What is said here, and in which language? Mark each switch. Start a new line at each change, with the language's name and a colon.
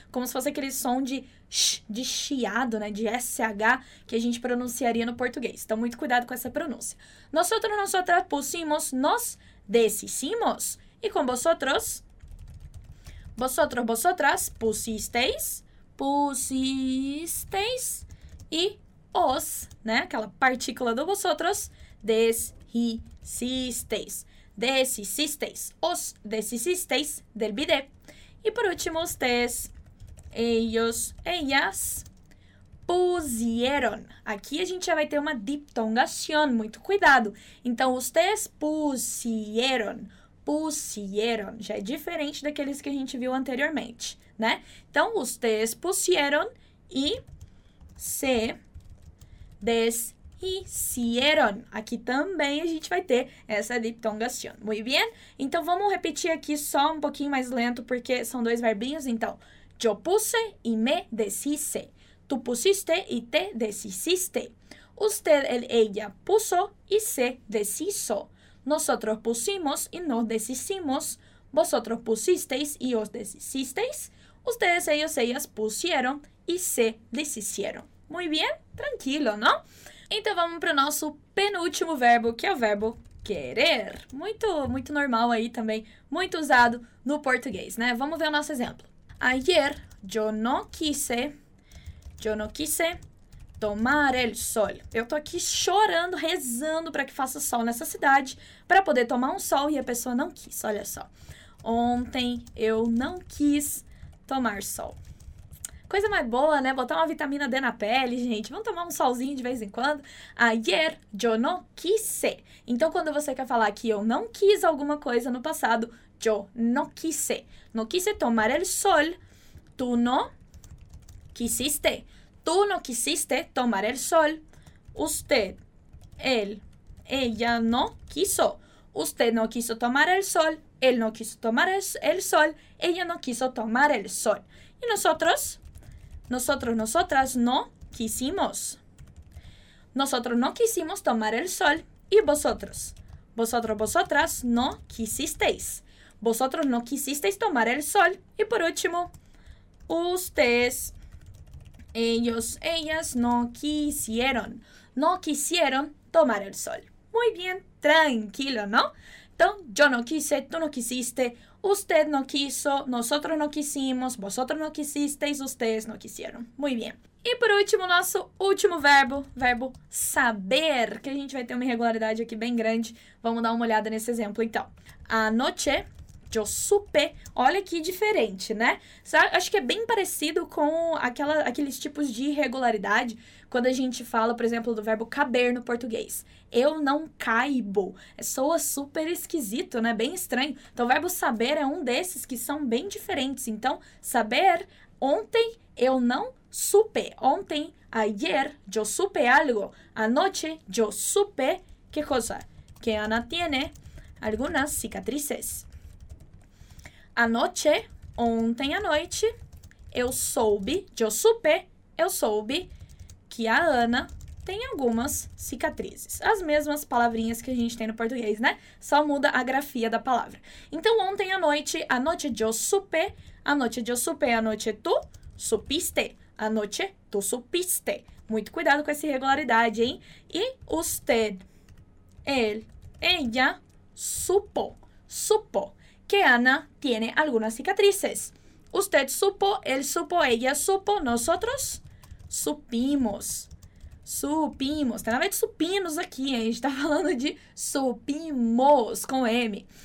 Portuguese: Como se fosse aquele som de sh, de chiado, né? De SH que a gente pronunciaria no português. Então, muito cuidado com essa pronúncia.
Spanish: Nosotros pusimos, nos deshicimos.
Portuguese: E com
Spanish: vosotros? Vosotras pusisteis.
Portuguese: Pusisteis e os, né? Aquela partícula do vosotros, deshicisteis.
Spanish: Deshicisteis. Os deshicisteis del bidet.
Portuguese: E por último,
Spanish: ustedes, ellos, ellas, pusieron.
Portuguese: Aqui a gente já vai ter uma diptongación, muito cuidado. Então, ustedes pusieron. pusieron. Já é diferente daqueles que a gente viu anteriormente, né? Então, ustedes pusieron e se deshicieron. Aqui também a gente vai ter essa diptongação.
Spanish: Muy bien?
Portuguese: Então, vamos repetir aqui só um pouquinho mais lento, porque são dois verbinhos. Então,
Spanish: yo puse y me deshice. Tú pusiste y te deshiciste. Usted, él, ella puso y se deshizo. Nosotros pusimos y nos deshicimos. Vosotros pusisteis y os deshicisteis. Ustedes, ellos, ellas pusieron y se deshicieron. Muy bien, tranquilo, ¿no?
Portuguese: Então vamos para o nosso penúltimo verbo, que é o verbo querer. Muito, muito normal aí também, muito usado no português, né? Vamos ver o nosso exemplo.
Spanish: Ayer yo no quise tomar el sol.
Portuguese: Eu tô aqui chorando, rezando para que faça sol nessa cidade, para poder tomar um sol e a pessoa não quis, olha só. Ontem eu não quis tomar sol. Coisa mais boa, né? Botar uma vitamina D na pele, gente. Vamos tomar um solzinho de vez em quando.
Spanish: Ayer yo no quise.
Portuguese: Então, quando você quer falar que eu não quis alguma coisa no passado,
Spanish: yo no quise. No quise tomar el sol. Tú no quisiste. Tú no quisiste tomar el sol. Usted, él, ella no quiso. Usted no quiso tomar el sol. Él no quiso tomar el sol. Ella no quiso tomar el sol. Y nosotros... Nosotros, nosotras no quisimos. Nosotros no quisimos tomar el sol. Y vosotros. Vosotros, vosotras no quisisteis. Vosotros no quisisteis tomar el sol. Y por último, ustedes, ellos, ellas no quisieron. No quisieron tomar el sol. Muy bien, tranquilo, ¿no? Entonces, yo no quise, tú no quisiste. Usted no quiso, nosotros no quisimos, vosotros no quisisteis, ustedes no quisieron. Muy bien.
Portuguese: E por último, nosso último verbo, verbo saber, que a gente vai ter uma irregularidade aqui bem grande. Vamos dar uma olhada nesse exemplo, então.
Spanish: Anoche, yo supe.
Portuguese: Olha que diferente, né? Acho que é bem parecido com aqueles tipos de irregularidade quando a gente fala, por exemplo, do verbo caber no português. Eu não caibo. Soa super esquisito, né? Bem estranho. Então, o verbo saber é um desses que são bem diferentes. Então, saber, ontem eu não supe. Ontem,
Spanish: ayer, yo supe algo. Anoche, yo supe. Que cosa? Que Ana tiene algunas cicatrices.
Portuguese: Anoche, ontem à noite, eu soube,
Spanish: yo supe,
Portuguese: eu soube que a Ana tem algumas cicatrizes. As mesmas palavrinhas que a gente tem no português, né? Só muda a grafia da palavra. Então, ontem à noite,
Spanish: anoche yo supe, anoche yo supe, anoche tu supiste, anoche tu supiste.
Portuguese: Muito cuidado com essa irregularidade, hein?
Spanish: E usted, él, ella, supo, supo que Ana tiene algunas cicatrices. Usted supo, él supo, ella supo, nosotros supimos.
Portuguese: Supimos, tem nada de supinos aqui, hein? A gente tá falando de supimos, com M.